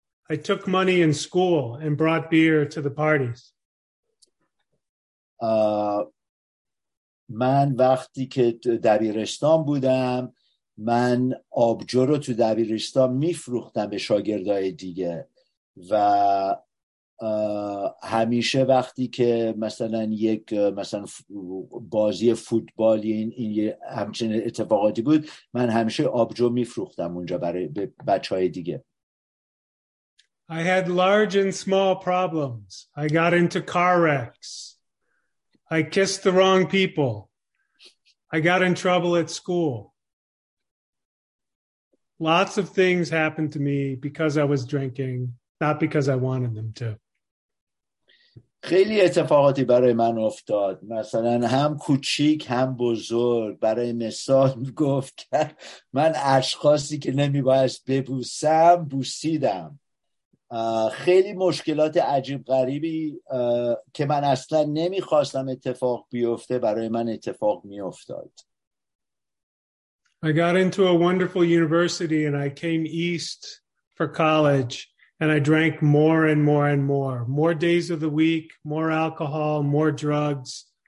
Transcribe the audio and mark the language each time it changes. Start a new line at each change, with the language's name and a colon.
English: I took money in school and brought beer to the parties.
Persian: من وقتی که دبیرستان بودم من آبجو رو تو دبیرستان میفروختم به شاگردای دیگه و همیشه وقتی که مثلا یک مثلا بازی فوتبالی این همچین اتفاقاتی بود من همیشه آبجو میفروختم اونجا برای بچهای دیگه.
English: I had large and small problems. I got into car wrecks. I kissed the wrong people. I got in trouble at school. Lots of things happened to me because I was drinking, not because I wanted them to.
Persian: خیلی اتفاقاتی برای من افتاد. مثلا هم کوچیک هم بزرگ. برای مثال گفت که من اشخاصی که نمیبایست ببوسم بوسیدم. خیلی مشکلات عجیب غریبی که من اصلا نمیخواستم اتفاق بیفته برای من اتفاق میافتاد.
English: I got into a wonderful university and I came east for college and I drank more and more and more. More days of the week, more alcohol, more drugs.